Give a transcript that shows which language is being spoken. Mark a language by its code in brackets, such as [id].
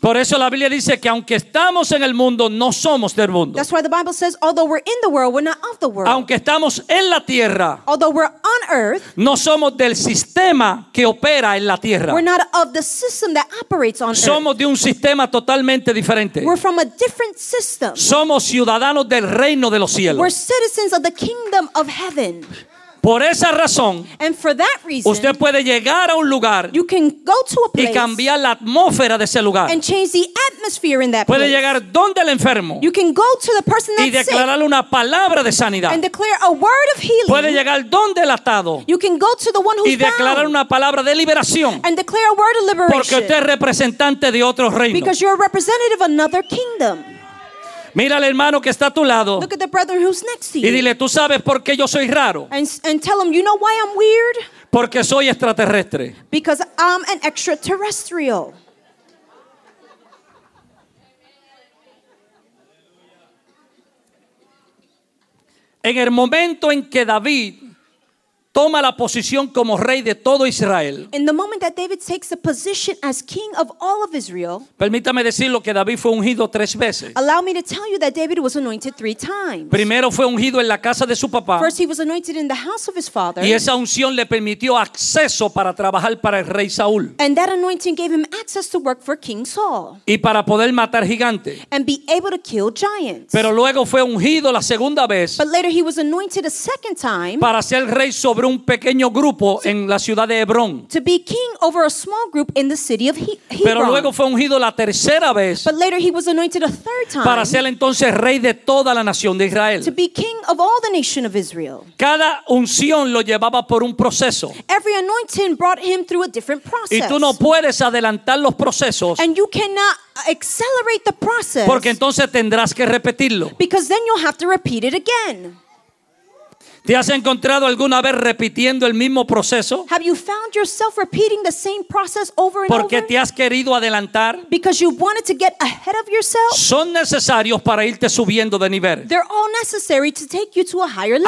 [es] Por eso la Biblia dice que aunque estamos en el mundo, no somos del mundo. [en] That's why the Bible says, although we're in the world, we're not of the world. [es] Aunque estamos en la tierra, [en] although we're on earth, [es] no somos del sistema que opera en la tierra. [en] We're not of the system that operates on earth. [es] Somos de un sistema totalmente diferente. [en] We're from a different system. [es] Somos ciudadanos del reino de los cielos. [en] We're citizens of the kingdom of heaven. [es] Por esa razón, [en] and for that reason, [es] usted puede llegar a un lugar, [en] you can go to a place [es] y cambiar la atmósfera de ese lugar, [en] and change the atmosphere in that [es] puede [en] place. [es] Llegar donde el enfermo, [en] you can go to the person that's [es] y declararle [en] sick, [es] una palabra de sanidad, [en] and declare a word of healing. [es] Puede llegar donde el atado, [en] you can go to the one who's [es] y declararle [en] bound, [es] una palabra de liberación, [en] and declare a word of liberation. [es] Porque usted es representante de otro reino, [en] because you're a representative of another kingdom. [es] Mira al hermano que está a tu lado. [en] Look at the brother who's next to you. [es] Y dile, ¿tú sabes por qué yo soy raro? [en] And tell him, you know why I'm weird? [es] Porque soy extraterrestre. [en] Because I'm an extraterrestrial. [es] En el momento en que David toma la posición como rey de todo Israel. [en] In the moment that David takes the position as king of all of Israel. [es] Permítame decirlo que David fue ungido 3 veces. [en] Allow me to tell you that David was anointed 3 times. [es] Primero fue ungido en la casa de su papá. [en] First he was anointed in the house of his father. [es] Y esa unción le permitió acceso para trabajar para el rey Saúl. [en] And that anointing gave him access to work for King Saul. [es] Y para poder matar gigantes. [en] And be able to kill giants. [es] Pero luego fue ungido la segunda vez. [en] But later he was anointed a second time. [es] Para ser rey sobre un pequeño grupo en la ciudad de Hebrón. [en] To be king over a small group in the city of Hebron. [es] Pero luego fue ungido la tercera vez. [en] But later he was anointed a third time. [es] Para ser entonces rey de toda la nación de Israel. [en] To be king of all the nation of Israel. [es] Cada unción lo llevaba por un proceso. [en] Every anointing brought him through a different process. [es] Y tú no puedes adelantar los procesos. [en] And you cannot accelerate the process. [es] Porque entonces tendrás que repetirlo. [en] Because then you'll have to repeat it again. [es] ¿Te has encontrado alguna vez repitiendo el mismo proceso? [en] Have you found yourself repeating the same process over and over? [es] ¿Porque te has querido adelantar? [en] Because you wanted to get ahead of yourself? [es] Son necesarios para irte subiendo de nivel. [en] They're all necessary to take you to a higher level.